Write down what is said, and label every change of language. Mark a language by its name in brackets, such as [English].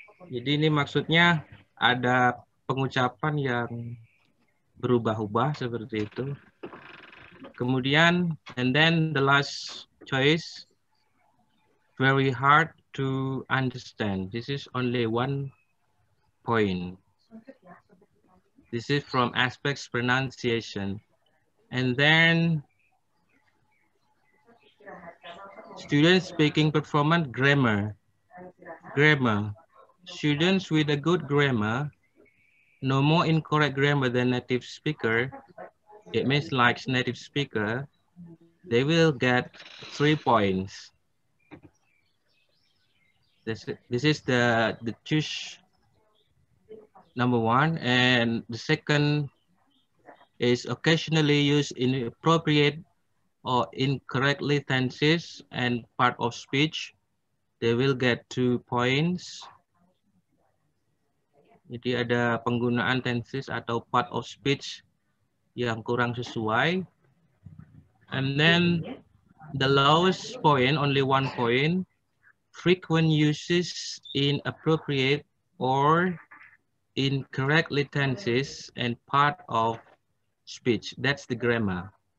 [Indonesian] Jadi ini maksudnya ada pengucapan yang berubah-ubah seperti itu. Kemudian, [English] and then the last choice, very hard to understand. This is only 1 point. This is from aspects pronunciation. And then student speaking performance, grammar. Grammar. Students with a good grammar, no more incorrect grammar than native speaker, it means like native speaker, they will get 3 points. This is the choose number one. And the second is occasionally used inappropriate or incorrectly tenses and part of speech, they will get 2 points. [Indonesian] Jadi ada penggunaan tenses atau part of speech yang kurang sesuai. [English] And then the lowest point, only 1 point, frequent uses inappropriate or incorrectly tenses and part of speech. That's the grammar.